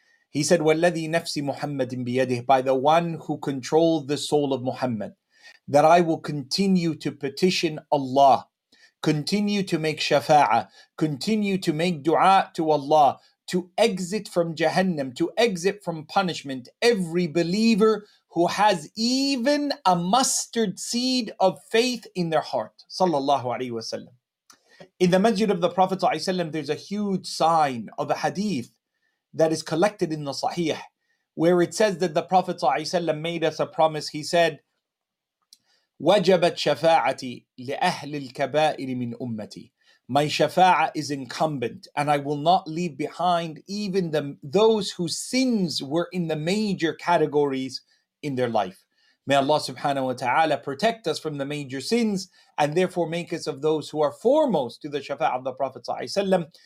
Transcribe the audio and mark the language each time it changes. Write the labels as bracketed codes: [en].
[en] He said, [ar] وَالَّذِي نَفْسِ مُحَمَّدٍ بِيَدِهِ, [en] by the one who controls the soul of Muhammad, that I will continue to petition Allah, continue to make shafa'ah, continue to make dua to Allah, to exit from Jahannam, to exit from punishment, every believer who has even a mustard seed of faith in their heart. Sallallahu alayhi wa sallam. In the masjid of the Prophet sallallahu alayhi wa sallam, there's a huge sign of a hadith that is collected in the Sahih, where it says that the Prophet sallallahu alayhi wa sallam made us a promise. [ar] He said, وَجَبَتْ شَفَاعَتِي لِأَهْلِ الْكَبَائِرِ مِنْ أُمَّتِي. [en] My shafa'ah is incumbent, and I will not leave behind even those whose sins were in the major categories in their life. May Allah subhanahu wa ta'ala protect us from the major sins, and therefore make us of those who are foremost to the shafa'ah of the Prophet sallallahu alayhi wa sallam.